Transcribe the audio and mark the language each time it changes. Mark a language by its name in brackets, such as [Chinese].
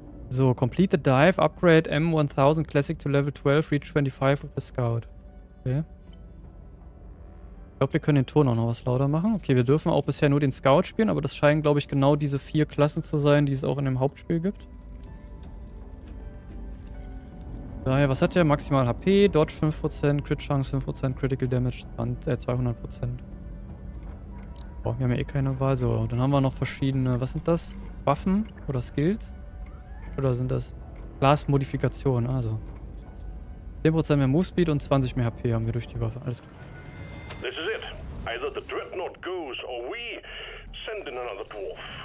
[English] So, complete the dive, upgrade M1000 Classic to Level 12, reach 25 with the Scout. Okay. [German] Ich glaube, wir können den Ton auch noch was lauter machen. Okay, wir dürfen auch bisher nur den Scout spielen, aber das scheinen, glaube ich, genau diese vier Klassen zu sein, die es auch in dem Hauptspiel gibt. Daher, was hat der? Maximal HP, Dodge 5%, Crit Chance 5%, Critical Damage 200%. Boah, wir haben ja eh keine Wahl. So, dann haben wir noch verschiedene, was sind das? Waffen oder Skills? Oder sind das Glas-Modifikationen? Also, 10% mehr Move Speed und 20% mehr HP haben wir durch die Waffe. Alles gut. [English] Either the Dreadnought goes or we send in another dwarf.